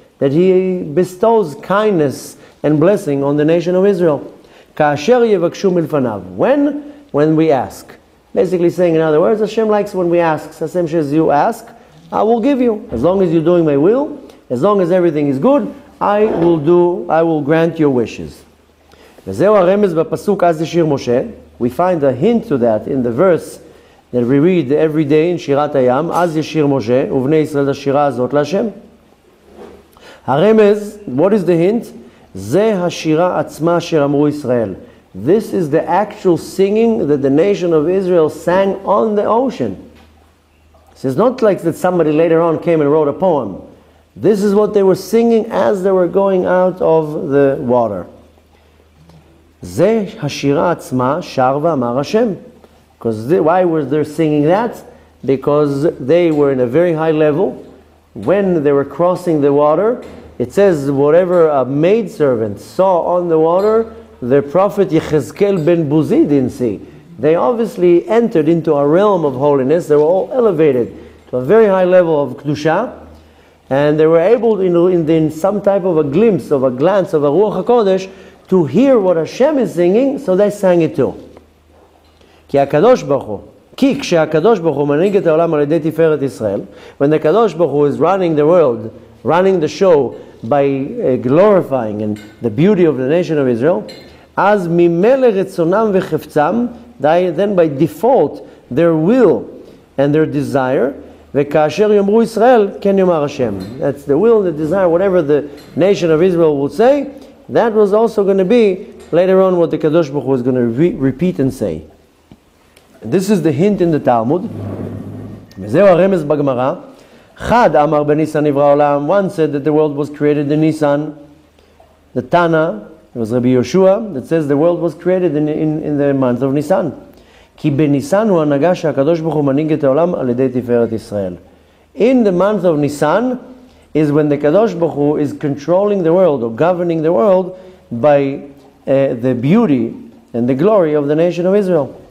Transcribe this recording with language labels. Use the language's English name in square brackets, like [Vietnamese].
[English] That he bestows kindness and blessing on the nation of Israel. [Hebrew] Kaasher yevakshu milfanav. [English] When we ask. Basically saying, in other words, Hashem likes when we ask. Hashem says, you ask, I will give you. As long as you're doing my will, as long as everything is good, I will grant your wishes. [Hebrew] וזהו הרמז בפסוק אז ישיר משה. [English] We find a hint to that in the verse that we read every day in שירת הים. [Hebrew] אז ישיר משה ובני ישראל השירה הזאת להשם. [English] הרמז, what is the hint? [Hebrew] זה השירה עצמה אשר אמרו ישראל. [English] This is the actual singing that the nation of Israel sang on the ocean. So it's not like that somebody later on came and wrote a poem. This is what they were singing as they were going out of the water. [Hebrew] זה השירה עצמה שר ואמר השם. [English] Why were they singing that? Because they were in a very high level. When they were crossing the water, it says whatever a maidservant saw on the water, the prophet Yechezkel ben Buzi didn't see. They obviously entered into a realm of holiness. They were all elevated to a very high level of Kedusha. And they were able, in some type of a glimpse, of a glance, of a Ruach HaKodesh, to hear what Hashem is singing, so they sang it too. [Hebrew] כי הקדוש ברוך הוא, כי כשהקדוש ברוך הוא מנהיג את העולם על ידי תפארת ישראל, [English] when the קדוש ברוך הוא is running the world, running the show, by glorifying and the beauty of the nation of Israel, [Hebrew] אז ממלא רצונם וחפצם, [English] then by default, their will and their desire, [Hebrew] וכאשר יאמרו ישראל, כן יאמר השם. [English] That's the will, the desire, whatever the nation of Israel would say, that was also going to be, later on, what the קדוש ברוך הוא is going to repeat and say. This is the hint in the Talmud. [Hebrew] וזהו הרמז בגמרא. חד אמר בניסן נברא העולם. [English] One said that the world was created in Nisan. The Tana, it was Rabbi Yoshua, that says the world was created in the month of Nisan. [Hebrew] כי בניסן הוא הנהגה שהקדוש ברוך הוא מנהיג את העולם על ידי תפארת ישראל. [English] In the month of Nisan is when the קדוש ברוך הוא is controlling the world or governing the world by the beauty and the glory of the nation of Israel.